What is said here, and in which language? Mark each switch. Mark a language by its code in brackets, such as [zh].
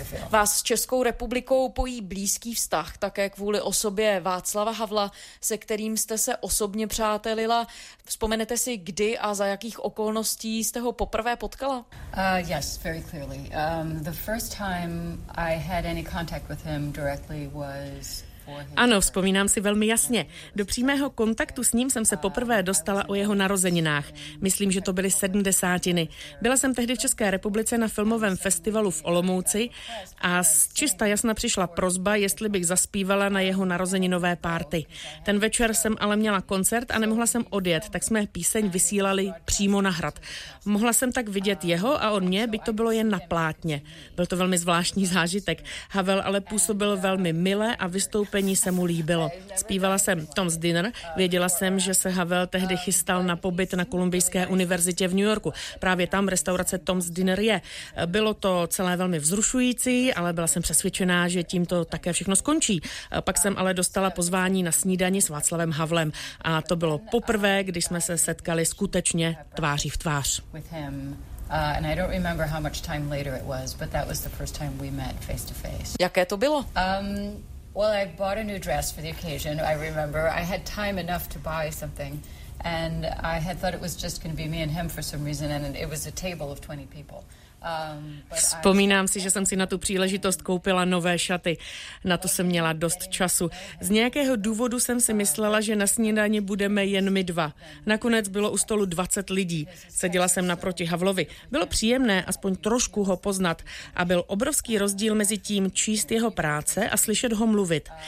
[cs] Vás s Českou republikou pojí blízký vztah, také kvůli osobě Václava Havla, se kterým jste se osobně přátelila. Vzpomenete si, kdy a za jakých okolností jste ho poprvé potkala? [en] Yes, very clearly. The first time I had any contact with him directly was... [cs] Ano, vzpomínám si velmi jasně. Do přímého kontaktu s ním jsem se poprvé dostala o jeho narozeninách. Myslím, že to byly 70. Byla jsem tehdy v České republice na filmovém festivalu v Olomouci a zčista jasna přišla prosba, jestli bych zaspívala na jeho narozeninové párty. Ten večer jsem ale měla koncert a nemohla jsem odjet, tak jsme píseň vysílali přímo na hrad. Mohla jsem tak vidět jeho a on mě, byť to bylo jen na plátně. Byl to velmi zvláštní zážitek. Havel ale působil velmi mile a vystoupil. Vystoupení se mu líbilo. Zpívala jsem Tom's Dinner, věděla jsem, že se Havel tehdy chystal na pobyt na Kolumbijské univerzitě v New Yorku. Právě tam restaurace Tom's Dinner je. Bylo to celé velmi vzrušující, ale byla jsem přesvědčená, že tím to také všechno skončí. Pak jsem ale dostala pozvání na snídani s Václavem Havlem a to bylo poprvé, když jsme se setkali skutečně tváří v tvář. [en] And I don't remember how much time later it was, but that was the first time we met face to face. [cs] Jaké to bylo? [en] Well, I bought a new dress for the occasion, I remember. I had time enough to buy something. And I had thought it was just going to be me and him for some reason. And it was a table of 20 people. [cs] Vzpomínám si, že jsem si na tu příležitost koupila nové šaty. Na to jsem měla dost času. Z nějakého důvodu jsem si myslela, že na snídani budeme jen my dva. Nakonec bylo u stolu 20 lidí. Seděla jsem naproti Havlovi. Bylo příjemné aspoň trošku ho poznat a byl obrovský rozdíl mezi tím číst jeho práce a slyšet ho mluvit.